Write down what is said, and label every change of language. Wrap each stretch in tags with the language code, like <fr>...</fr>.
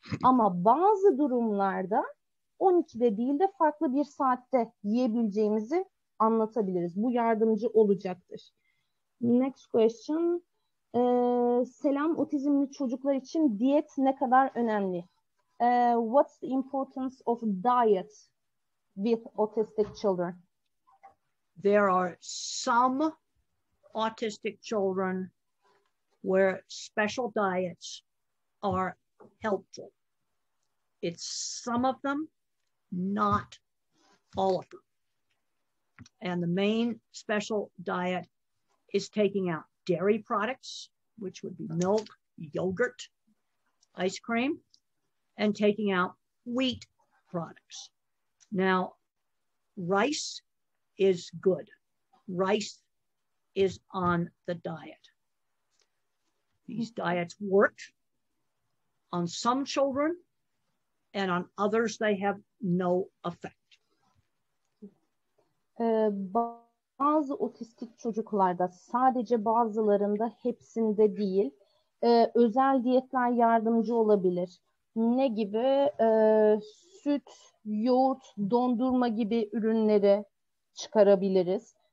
<tr>Ama bazı durumlarda 12'de değil de farklı bir saatte yiyebileceğimizi anlatabiliriz. Bu yardımcı olacaktır.</tr> <en>Next question.</en> <tr>Selam, otizmli çocuklar için diyet ne kadar önemli?</tr> <en>What's the importance of diet with autistic children? There are some autistic children where special diets are helpful. It's some of them, not all of them. And the main special diet is taking out dairy products, which would be milk, yogurt, ice cream, and taking out wheat products. Now, rice is good. Rice is on the diet. These diets work on some children, and on others they have no effect.</en> <tr>Bazı otistik çocuklarda, sadece bazılarında, hepsinde değil, özel diyetler yardımcı olabilir. Ne gibi? Süt, yoğurt, dondurma gibi ürünleri çıkarabiliriz.</tr>